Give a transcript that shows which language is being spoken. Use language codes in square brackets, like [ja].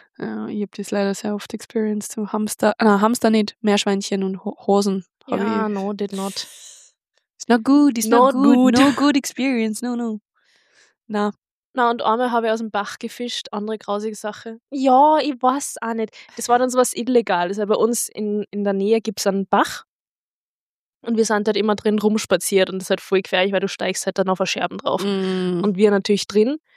[de] Ja, ich habe das leider sehr oft experienced. So Hamster, Hamster nicht, Meerschweinchen und Hosen. [en] No, did not. It's not good experience. [de] Na, und einmal habe ich aus dem Bach gefischt, andere grausige Sache. Ja, ich weiß auch nicht. Das war dann sowas Illegales. Bei uns in der Nähe gibt es einen Bach und wir sind halt immer drin rumspaziert und das ist halt voll gefährlich, weil du steigst halt dann auf ein Scherben drauf. Mm. Und wir natürlich drin.